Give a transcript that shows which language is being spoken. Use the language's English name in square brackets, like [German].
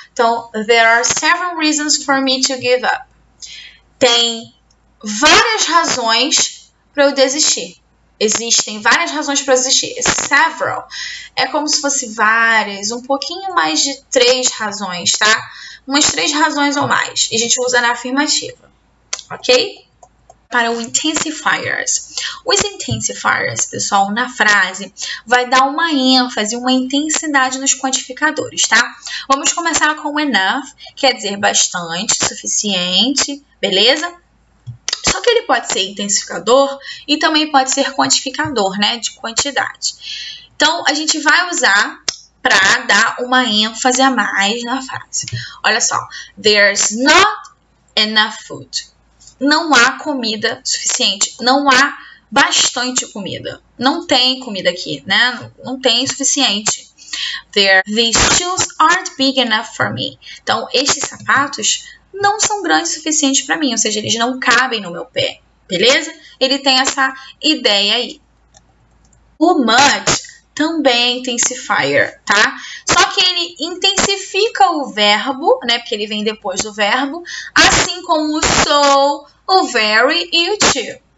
[English] Então, there are several reasons for me to give up. [Portuguese] Tem várias razões para eu desistir. Existem várias razões para eu desistir. Several é como se fosse várias, um pouquinho mais de três razões, tá? Umas três razões ou mais. E a gente usa na afirmativa, ok? Para o intensifiers. Os intensifiers, pessoal, na frase, vai dar uma ênfase, uma intensidade nos quantificadores, tá? Vamos começar com enough, quer dizer bastante, suficiente, beleza? Só que ele pode ser intensificador e também pode ser quantificador, né? De quantidade. Então, a gente vai usar para dar uma ênfase a mais na frase. Olha só. [English] There's not enough food. [Portuguese] Não há comida suficiente, não há bastante comida. Não tem comida aqui, né? Não tem suficiente. [English] These shoes aren't big enough for me. [Portuguese] Então, esses sapatos não são grandes o suficiente para mim, ou seja, eles não cabem no meu pé, beleza? Ele tem essa ideia aí. O much também intensifier, tá? Só que ele intensifica o verbo, né? Porque ele vem depois do verbo, assim como o so, o very e o to.